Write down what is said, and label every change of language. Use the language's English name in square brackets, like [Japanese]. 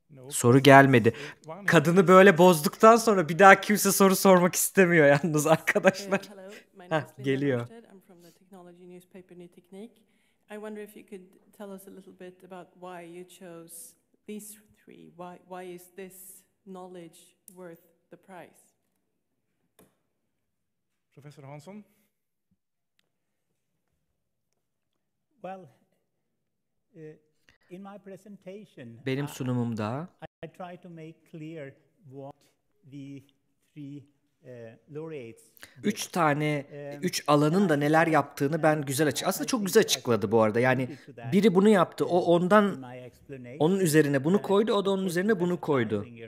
[Turkish] Soru gelmedi. Kadını böyle bozduktan sonra bir daha kimse soru sormak istemiyor yalnız arkadaşlar. Geliyor. [English] I'm from the technology newspaper New Technique. I wonder if you could tell us a little bit about why you chose these three. Why is this knowledge worth the price? Professor Hansson. Well, in my presentation, [Turkish] benim sunumumda [English] I try to make clear what the three laureates. [Turkish] Üç tane, üç alanın da neler yaptığını ben güzel açıkladım. Aslında çok güzel açıkladı bu arada. Yani biri bunu yaptı, o ondan, onun üzerine bunu koydu, o da onun üzerine bunu koydu.